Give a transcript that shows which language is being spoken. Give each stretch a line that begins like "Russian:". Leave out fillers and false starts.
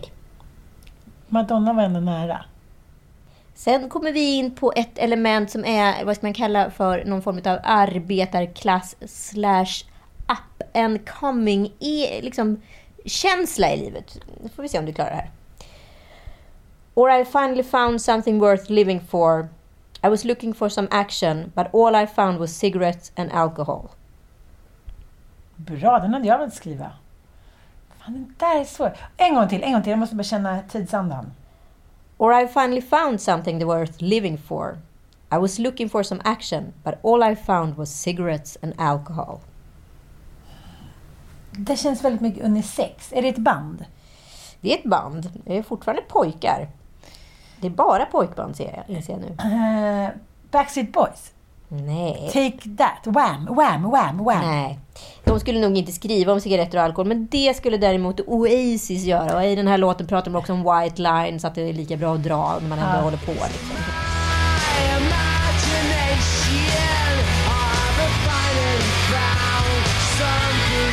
Swedish: Okay. Madonna var ändå nära. Sen kommer vi in på ett element som är, vad ska man kalla för, någon form av arbetarklass /
English: up and coming
Swedish: liksom känsla i livet. Nu får vi se om du klarar det här.
English: Or I finally found something worth living for. I was looking for some action, but all I found was cigarettes and alcohol.
Swedish: Bra, den hade jag velat skriva. Fan, den där är svår. En gång till, jag måste bara känna tidsandan.
English: Or I finally found something worth living for. I was looking for some action, but all I found was cigarettes and alcohol.
Swedish: Det känns väldigt mycket unisex. Är det ett band? Det är ett band. Det är fortfarande pojkar. Det är bara pojkband, ser jag nu. Backstreet Boys. Nej. Take that. Wham, wham, wham, wham. Nej. De skulle nog inte skriva om cigaretter och alkohol, men det skulle däremot Oasis göra. Och i den här låten pratar de också om white line, så att det är lika bra att dra när man ändå håller på. Liksom.
English: Imagination, all the fighting found, something.